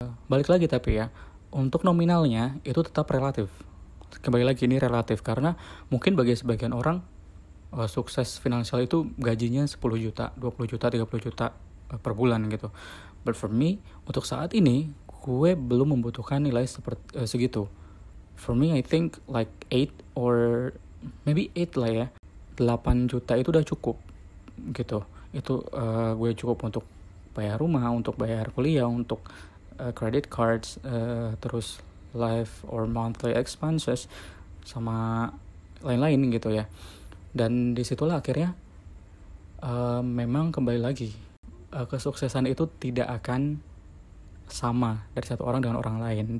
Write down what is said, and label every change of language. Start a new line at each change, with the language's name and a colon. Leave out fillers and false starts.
Indonesian: Balik lagi tapi ya, untuk nominalnya itu tetap relatif. Kembali lagi, ini relatif karena mungkin bagi sebagian orang sukses finansial itu gajinya 10 juta, 20 juta, 30 juta per bulan gitu.
English: But for me,
Indonesian: untuk saat ini gue belum membutuhkan nilai seperti segitu.
English: For me, I think like 8 or maybe 8
Indonesian: lah ya. 8 juta itu udah cukup gitu. Itu gue cukup untuk bayar rumah, untuk bayar kuliah, untuk credit cards, terus
English: life or monthly expenses
Indonesian: sama lain-lain gitu ya. Dan disitulah akhirnya memang kembali lagi kesuksesan itu tidak akan sama dari satu orang dengan orang lain.